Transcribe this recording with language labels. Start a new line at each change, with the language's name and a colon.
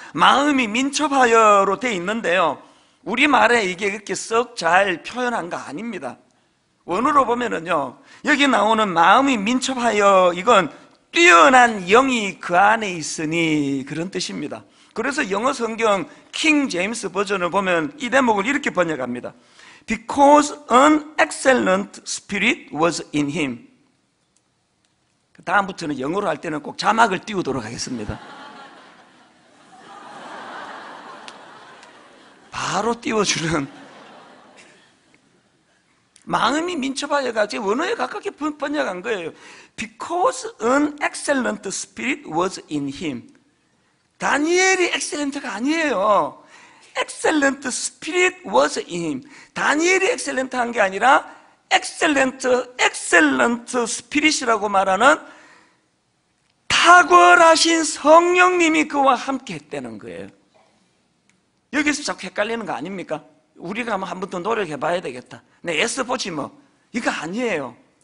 Korean: 마음이 민첩하여로 돼 있는데요, 우리말에 이게 그렇게 썩 잘 표현한 거 아닙니다. 원어로 보면은요, 여기 나오는 마음이 민첩하여, 이건 뛰어난 영이 그 안에 있으니, 그런 뜻입니다. 그래서 영어 성경 킹 제임스 버전을 보면 이 대목을 이렇게 번역합니다.
English: Because an excellent spirit was in him.
Korean: 다음부터는 영어로 할 때는 꼭 자막을 띄우도록 하겠습니다. 바로 띄워주는 마음이 민첩하여가 지금 원어에 가깝게 번역한 거예요.
English: Because an excellent spirit was in him.
Korean: 다니엘이 excellent가 아니에요.
English: Excellent spirit was in him.
Korean: 다니엘이 excellent한 게 아니라
English: excellent spirit
Korean: 이라고 말하는 탁월하신 성령님이 그와 함께 했다는 거예요. 여기서 자꾸 헷갈리는 거 아닙니까? 우리가 한번 더 노력해 봐야 되겠다, 내 애써보지 뭐, 이거 아니에요.